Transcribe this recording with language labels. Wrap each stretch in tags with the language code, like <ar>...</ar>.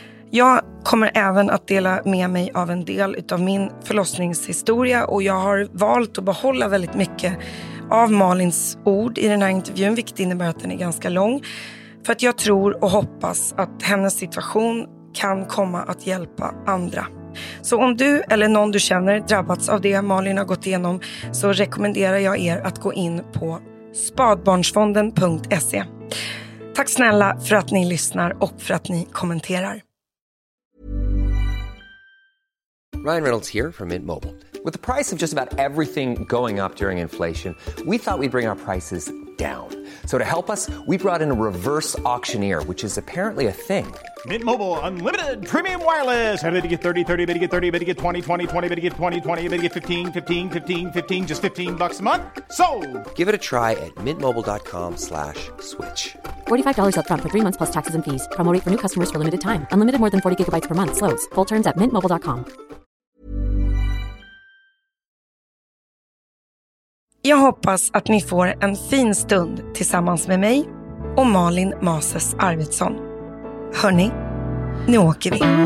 <sv>Jag kommer även att dela med mig av en del av min förlossningshistoria och jag har valt att behålla väldigt mycket av Malins ord i den här intervjun, vilket innebär att den är ganska lång, för att jag tror och hoppas att hennes situation kan komma att hjälpa andra. Så om du eller någon du känner drabbats av det Malin har gått igenom, så rekommenderar jag er att gå in på spadbarnsfonden.se. Tack snälla för att ni lyssnar och för att ni kommenterar.</sv> <en>Ryan Reynolds here from Mint Mobile. With the price of just about everything going up during inflation, we thought we'd bring our prices down. So to help us, we brought in a reverse auctioneer, which is apparently a thing. Mint Mobile Unlimited Premium Wireless. How to get 30, 30, how to get 30, how to get 20, 20, 20, how to get 20, 20, how to get 15, 15, 15, 15, just $15 a month? Sold! Give it a try at mintmobile.com/switch. $45 up front for 3 months plus taxes and fees. Promo rate for new customers for limited time. Unlimited more than 40 gigabytes per month. Slows full terms at mintmobile.com.</en> <sv>Jag hoppas att ni får en fin stund tillsammans med mig och Malin Mases Arvidsson. Hörrni, nu åker vi.</sv>